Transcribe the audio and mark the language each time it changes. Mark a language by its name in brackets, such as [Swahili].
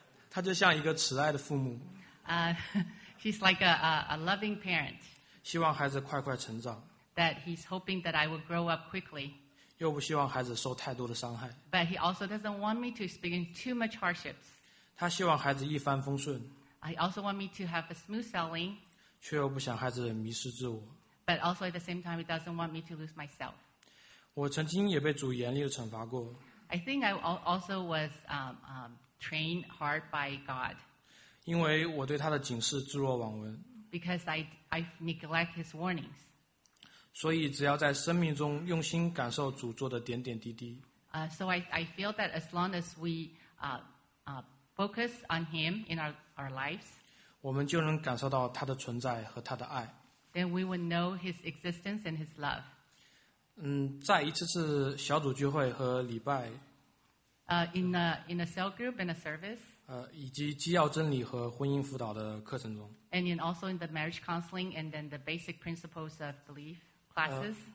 [Chinese] 他就像一个慈爱的父母。 [English] She's like a loving parent. [Chinese] 希望孩子快快成长。 [English] That he's hoping that I will grow up quickly. [Chinese] 又不希望孩子受太多的伤害。 [English] But he also doesn't want me to experience too much hardships. [Chinese] 他希望孩子一帆风顺。 [English] He also want me to have a smooth sailing. [Chinese] 却又不想孩子迷失自我。 [English] But also at the same time, he doesn't want me to lose myself. [Chinese] 我曾经也被主严厉地惩罚过。 [English] I think I also was trained hard by God. [Chinese] 因为我对他的警示置若罔闻。 [English] Because I neglect his warnings. [Chinese] 所以只要在生命中用心感受主做的点点滴滴。 [English] So I feel that as long as we focus on him in our lives, [Chinese] 我们就能感受到他的存在和他的爱。 [English] Then we will know his existence and his love. [Chinese] 在一次次小组聚会和礼拜。 [English] In a cell group and a service. [Chinese] 以及基要真理和婚姻辅导的课程中。 [English] And in also in the marriage counseling and then the basic principles of belief classes.